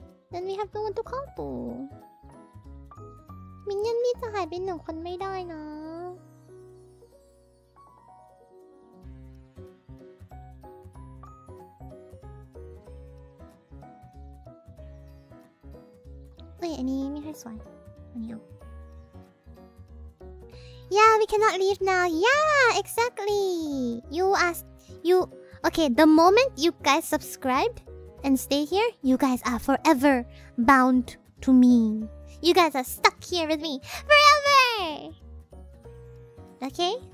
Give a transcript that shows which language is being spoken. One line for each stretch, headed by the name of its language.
English: Then we have no one to call for.
Thai: Minion นี่จะหายไปหนึ่งคนไม่ได้นะ
English: Wait, I need me to swipe. I need Yeah, we cannot leave now. Yeah, exactly. You asked. Okay, the moment you guys subscribed and stay here, you guys are forever bound to me. You guys are stuck here with me forever. Okay?